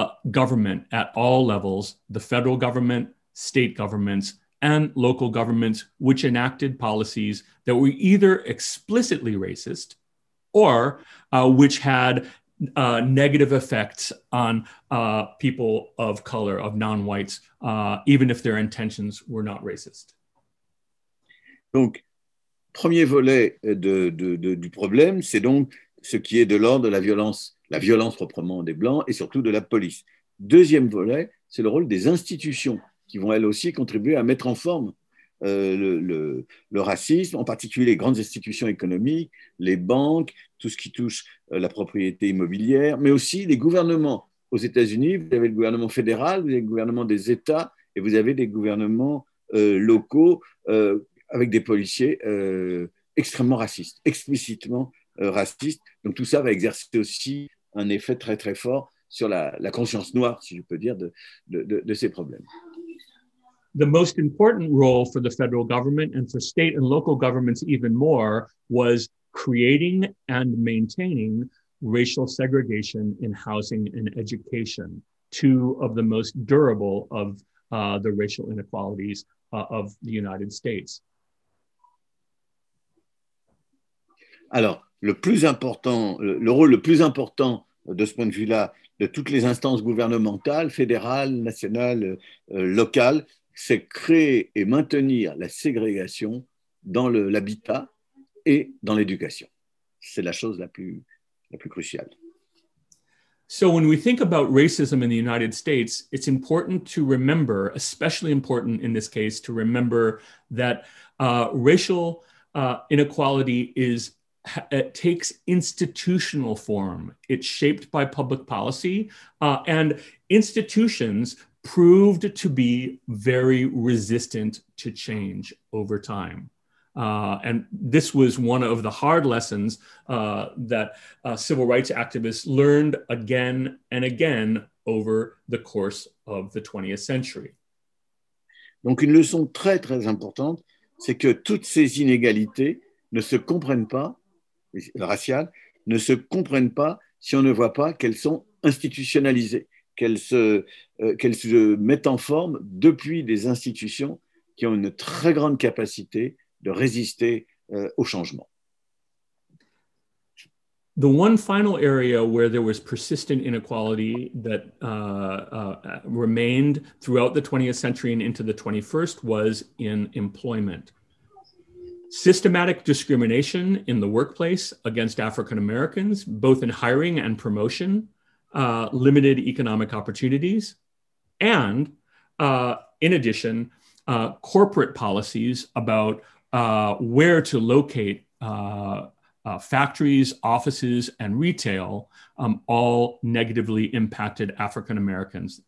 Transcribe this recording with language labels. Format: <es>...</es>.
<en>government at all levels, the federal government, state governments, and local governments, which enacted policies that were either explicitly racist or which had negative effects on people of color, of non-whites, even if their intentions were not racist.</en> <fr>Donc, premier volet du problème, c'est donc ce qui est de l'ordre de la violence proprement des Blancs et surtout de la police. Deuxième volet, c'est le rôle des institutions qui vont elles aussi contribuer à mettre en forme le racisme, en particulier les grandes institutions économiques, les banques, tout ce qui touche la propriété immobilière, mais aussi les gouvernements. Aux États-Unis, vous avez le gouvernement fédéral, vous avez le gouvernement des États, et vous avez des gouvernements locaux avec des policiers extrêmement racistes, explicitement racistes. Donc tout ça va exercer aussi un effet très très fort sur la conscience noire, si je peux dire, de ces problèmes.</fr> <en>The most important role for the federal government and for state and local governments even more was creating and maintaining racial segregation in housing and education, two of the most durable of the racial inequalities of the United States.</en> <fr>Alors, le rôle le plus important de ce point de vue-là, de toutes les instances gouvernementales, fédérales, nationales, locales, c'est créer et maintenir la ségrégation dans l'habitat et dans l'éducation. C'est la chose la plus cruciale.</fr> <en>So when we think about racism in the United States, it's important to remember, especially important in this case, to remember that racial inequality it takes institutional form. It's shaped by public policy and institutions proved to be very resistant to change over time. And this was one of the hard lessons that civil rights activists learned again and again over the course of the 20th century.</en> <fr>Donc, une leçon très, très importante, c'est que toutes ces inégalités ne se comprennent pas, raciales, ne se comprennent pas si on ne voit pas qu'elles sont institutionnalisées, qu'elles se mettent en forme depuis des institutions qui ont une très grande capacité de résister au changement.</fr> <en>The one final area where there was persistent inequality that remained throughout the 20th century and into the 21st was in employment. Systematic discrimination in the workplace against African Americans, both in hiring and promotion, limited economic opportunities, and in addition, corporate policies about where to locate factories, offices, and retail all negatively impacted African Americans.</en>